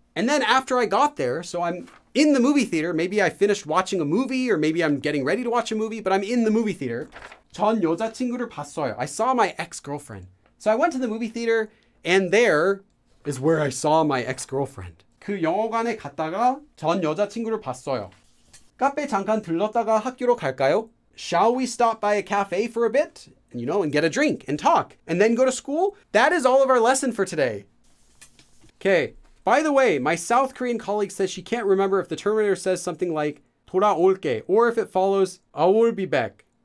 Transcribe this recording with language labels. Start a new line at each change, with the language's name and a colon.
English: And then after I got there, so I'm in the movie theater, maybe I finished watching a movie or maybe I'm getting ready to watch a movie, but I'm in the movie theater.
Korean: 전 여자친구를 봤어요.
English: I saw my ex-girlfriend. So I went to the movie theater and there is where I saw my ex-girlfriend.
Korean: 그 영화관에 갔다가 전 여자친구를 봤어요. 카페 잠깐 들렀다가 학교로 갈까요?
English: Shall we stop by a cafe for a bit? You know, and get a drink and talk and then go to school? That is all of our lesson for today. Okay. By the way, my South Korean colleague says she can't remember if the Terminator says something like 돌아올게 or if it follows I will be back.